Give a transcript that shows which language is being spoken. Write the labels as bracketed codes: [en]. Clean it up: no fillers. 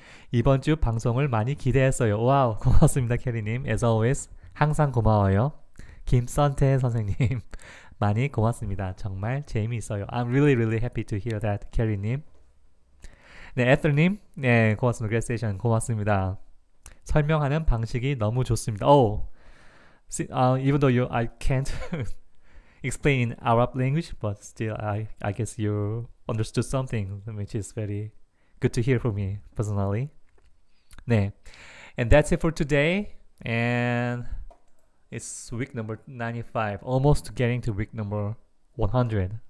[ko] 이번 주 방송을 많이 기대했어요. 와우, 고맙습니다 캐리님. [en] As always, [ko] 항상 고마워요. 김선태 선생님 많이 고맙습니다. 정말 재미있어요. [en] I'm really really happy to hear that, 캐리님. [ko] 네, 애터님, 네, 고맙습니다. [en] Great session, [ko] 고맙습니다. 설명하는 방식이 너무 좋습니다. [en] Even though I can't explain in Arab language, but still, I guess you understood something, which is very good to hear from me personally. 네, and that's it for today. And it's week number 95, almost getting to week number 100.